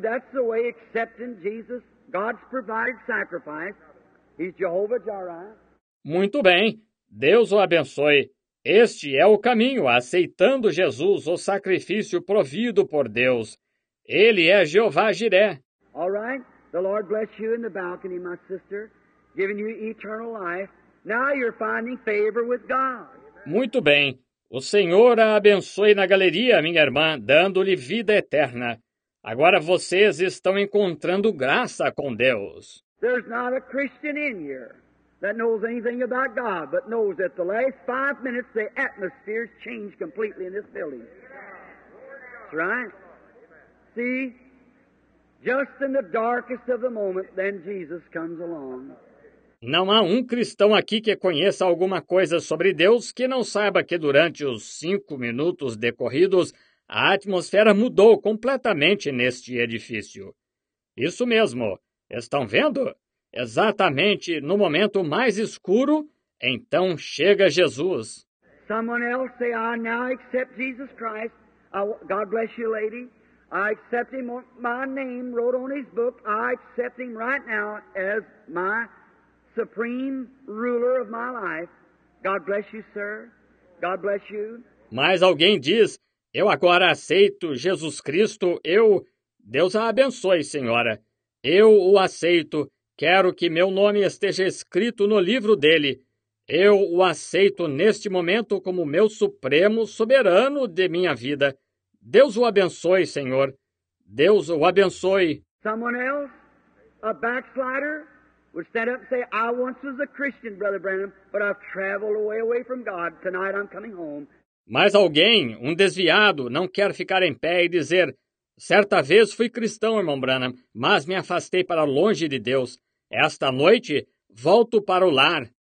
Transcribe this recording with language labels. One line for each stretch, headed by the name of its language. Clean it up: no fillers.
English: That's the way accepting Jesus, God's provided sacrifice. He's Jehovah Jireh.
Portuguese: Muito bem. Deus o abençoe. Este é o caminho, aceitando Jesus, o sacrifício provido por Deus. Ele é Jeová Jireh.
English: All right. The Lord bless you in the balcony, my sister, giving you eternal life. Now you're finding favor with God.
Portuguese: Muito bem. O Senhor a abençoe na galeria, minha irmã, dando-lhe vida eterna. Agora vocês estão encontrando graça com Deus.
English: There's not a Christian in here that knows anything about God, but knows that the last 5 minutes the atmosphere's changed completely in this building. That's right. See, just in the darkest of the moment, then Jesus comes along.
Portuguese: Não há um cristão aqui que conheça alguma coisa sobre Deus que não saiba que durante os 5 minutos decorridos, a atmosfera mudou completamente neste edifício. Isso mesmo. Estão vendo? Exatamente no momento mais escuro, então chega Jesus.
English: Someone else say, I now accept Jesus Christ. God bless you, lady. I accept him with my name wrote on his book. I accept him right now as my supreme ruler of my life. God bless you, sir. God bless you.
Portuguese: Mas alguém diz, eu agora aceito Jesus Cristo, eu... Deus a abençoe, senhora. Eu o aceito. Quero que meu nome esteja escrito no livro dele. Eu o aceito neste momento como meu supremo soberano de minha vida. Deus o abençoe, senhor. Deus o abençoe.
English: Someone else, a backslider, would stand up and say, I once was a Christian, Brother Branham, but I've traveled away from God. Tonight I'm coming home.
Portuguese: Mas alguém, um desviado, não quer ficar em pé e dizer, certa vez fui cristão, irmão Branham, mas me afastei para longe de Deus. Esta noite, volto para o lar.